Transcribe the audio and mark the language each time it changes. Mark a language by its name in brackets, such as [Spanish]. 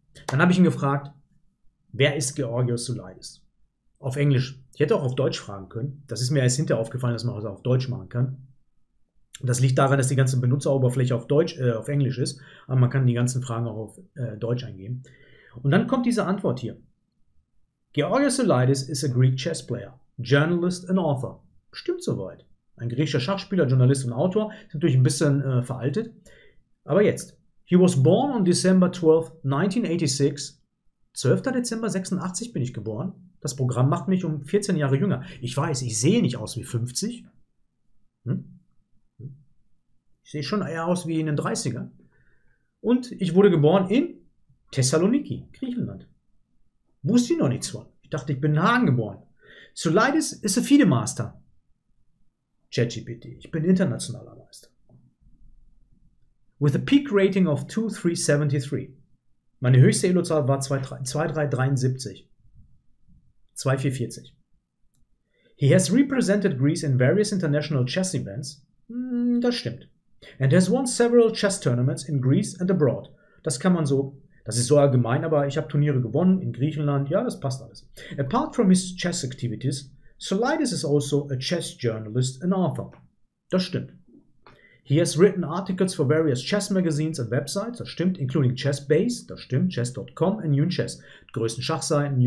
[German] Dann habe ich ihn gefragt, wer ist Georgios Soulidis? Auf Englisch. Ich hätte auch auf Deutsch fragen können. Das ist mir erst hinterher aufgefallen, dass man das auch auf Deutsch machen kann. Das liegt daran, dass die ganze Benutzeroberfläche auf Deutsch, auf Englisch ist. Aber man kann die ganzen Fragen auch auf Deutsch eingeben. Und dann kommt diese Antwort hier. [English] Georgios Soulidis is a Greek chess player, journalist and author. [German] Stimmt soweit. Ein griechischer Schachspieler, Journalist und Autor. Ist natürlich ein bisschen veraltet. Aber jetzt. [English] He was born on December 12, 1986. 12. [German] Dezember 86 bin ich geboren. Das Programm macht mich um 14 Jahre jünger. Ich weiß, ich sehe nicht aus wie 50. Ich sehe schon eher aus wie in den 30ern. Und ich wurde geboren in Thessaloniki, Griechenland. Wusste ich noch nichts von. Ich dachte, ich bin in Hagen geboren. [English] Soulidis is a FIDE Master. [German] ChatGPT, ich bin internationaler Meister. [English] With a peak rating of 2373. [German] Meine höchste Elo-Zahl war 2373. 2440. [English] He has represented Greece in various international chess events. [German] Das stimmt. [English] And has won several chess tournaments in Greece and abroad. [German] Das kann man so, das ist so allgemein, aber ich habe Turniere gewonnen in Griechenland. Ja, das passt alles. [English] Apart from his chess activities, Soulidis is also a chess journalist and author. [German] Das stimmt. [English] He has written articles for various chess magazines and websites, [German] das stimmt, [English] including Chessbase, das stimmt, chess.com and Yun Chess, [German] die größten Schachseiten.